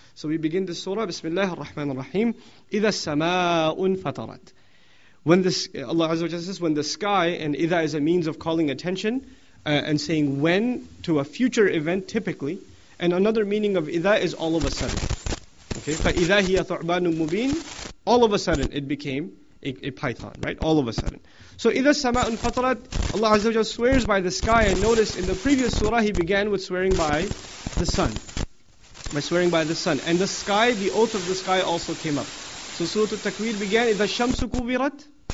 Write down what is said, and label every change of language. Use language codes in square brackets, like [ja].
[en] So we begin the surah, Bismillah ar-Rahman ar-Rahim. [ar] إِذَا السَّمَاءُ فَطَرَتْ. [en] When this, Allah Azza wa Jalla says, when the sky, and idha is a means of calling attention and saying when to a future event typically, and another meaning of idha is all of a sudden. [ar] Okay, فَإِذَا هِيَ ثُعْبَانٌ مُبِينٌ. [en] All of a sudden it became a python, right? All of a sudden. So idha sama'un fatarat, Allah Azza wa Jalla swears by the sky, and notice in the previous surah he began with swearing by the sun. By swearing by the sun. And the sky, the oath of the sky also came up. So Surah Al-Takwir began, [ar] إِذَا الشَّمْسُ كُوْبِرَتْ.